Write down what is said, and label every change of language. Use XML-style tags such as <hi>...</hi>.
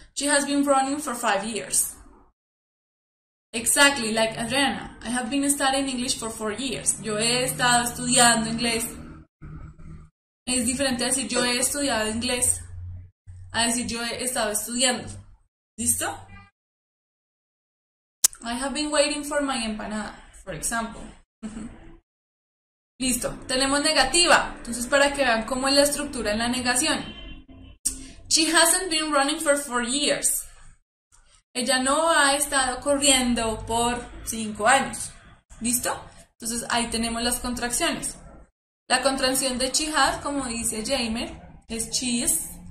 <en>She has been running for 5 years. Exactly, like Adriana. I have been studying English for 4 years.</en> <es>Yo he estado estudiando inglés. Es diferente a decir yo he estudiado inglés a decir yo he estado estudiando. ¿Listo?</es> <en>I have been waiting for my empanada, for example.</en> <es>Listo, tenemos negativa. Entonces, para que vean cómo es la estructura en la negación.</es> <en>She hasn't been running for 4 years.</en> <es>Ella no ha estado corriendo por 5 años. ¿Listo? Entonces ahí tenemos las contracciones. La contracción de she has, como dice Jamer, es she is.</es>